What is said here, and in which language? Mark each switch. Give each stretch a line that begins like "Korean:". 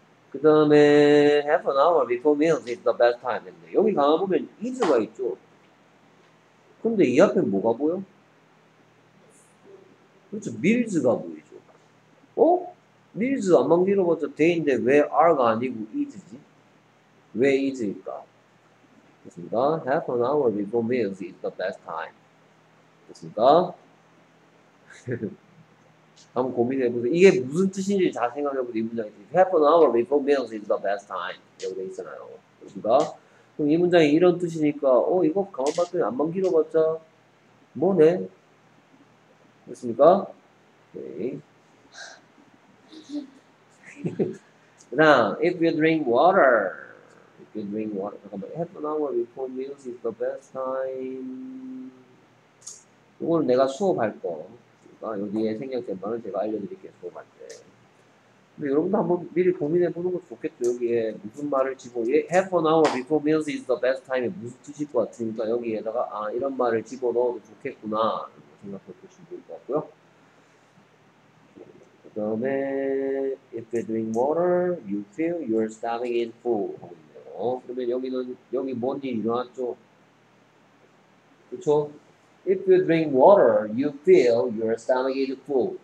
Korean: 그 다음에
English: half an hour before meals is the best time.
Korean: 여기 가만 보면 is가 있죠. 근데 이 앞에 뭐가 보여? 그렇죠. 밀즈가 보이죠. 어? 밀즈 안만 길어봤자 데인데 왜 R가 아니고 is지? 왜 is일까? 됐습니다.
English: Half an hour before meals is the best time.
Korean: 됐습니다. 한번 고민해보세요. 이게 무슨 뜻인지 잘 생각해보세요. 이 문장이
English: Half an hour before meals is the best time.
Korean: 여기 있잖아요. 됐습니다. 그럼 이 문장이 이런 뜻이니까 어? 이거 가만 봤더니 안만 길어봤자 뭐네? 됐습니까? 오케이.
English: Now, if you drink water, if you drink water,
Korean: 잠깐만,
English: half an hour before meals is the best time.
Korean: 이걸 내가 수업할 거. 아, 여기에 생략된 말을 제가 알려드릴게요, 수업할 때. 근데 여러분도 한번 미리 고민해 보는 것도 좋겠죠. 여기에 무슨 말을 집어, 예,
English: half an hour before meals is the best time이
Korean: 무슨 뜻일 것 같으니까 여기에다가, 아, 이런 말을 집어 넣어도 좋겠구나. 생각해 보시면 될 것 같고요. 그 다음에
English: If you drink water, you feel your stomach is full.
Korean: 그러면 여기는 여기 뭔 일이 일어났죠? 그쵸?
English: If you drink water, you feel your stomach is full.